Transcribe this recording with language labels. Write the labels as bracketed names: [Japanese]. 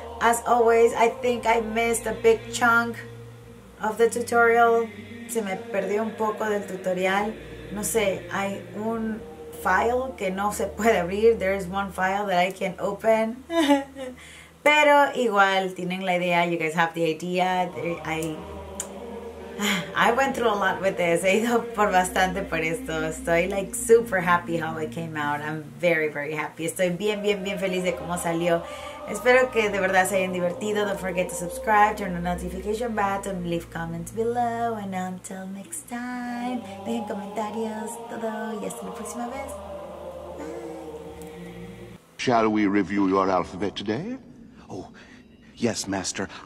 [English] As always, I think I missed a big chunk of the tutorial. [Spanish] Se me perdió un poco del tutorial. No sé, hay un file que no se puede abrir. [English] There is one file that I can't open. [Spanish] Pero igual, tienen la idea. [English] You guys have the idea. I went through a lot with this. [Spanish] He ido por bastante por esto. Estoy [English] like super happy how it came out. I'm very, very happy. [Spanish] Estoy bien, bien, bien feliz de cómo salió. Espero que de verdad se hayan divertido. [English] Don't forget to subscribe, turn on notification bell, and leave comments below. And until next time, [Spanish] dejen comentarios todo y hasta la próxima vez. [English] Bye. Shall we review your alphabet today? Oh, yes, master.